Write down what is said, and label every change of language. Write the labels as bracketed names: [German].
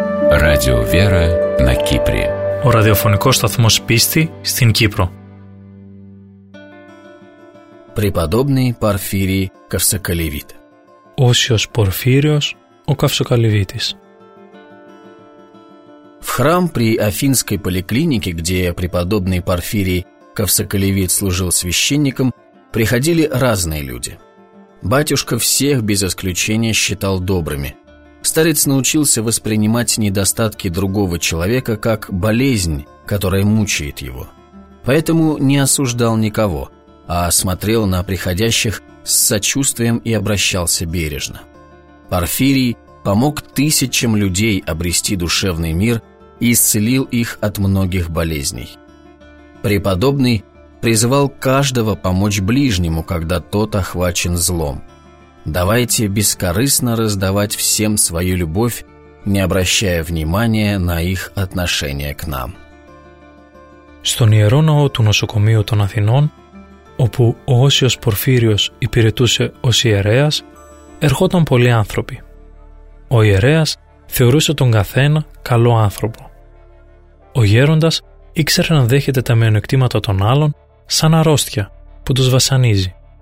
[Russian] Radio Vera на Кипре. [Greek] Ο ραδιοφωνικός σταθμός πίστη στην Κύπρο. [Russian] Преподобный Порфирий Ковсоколевит. [Greek] Осиос Порфириос, о Ковсоколевитис. [Russian] В храм при Афинской поликлинике, где преподобный Порфирий Ковсоколевит служил священником, приходили разные люди. Батюшка всех без исключения считал добрыми. Старец научился воспринимать недостатки другого человека как болезнь, которая мучает его. Поэтому не осуждал никого, а смотрел на приходящих с сочувствием и обращался бережно. Порфирий помог тысячам людей обрести душевный мир и исцелил их от многих болезней. Преподобный призывал каждого помочь ближнему, когда тот охвачен злом. «Давайте бескорыстно раздавать всем свою любовь, не обращая внимания на их отношение к нам». [Greek] Στον Ιερό Ναό του Νοσοκομείου των Αθηνών, όπου ο Όσιος Πορφύριος υπηρετούσε ως ιερέας, ερχόταν πολλοί άνθρωποι. Ο ιερέας θεωρούσε τον καθένα καλό άνθρωπο. Ο γέροντας ήξερε να δέχεται τα μειονεκτήματα των άλλων σαν αρρώστια που τους βασανίζει.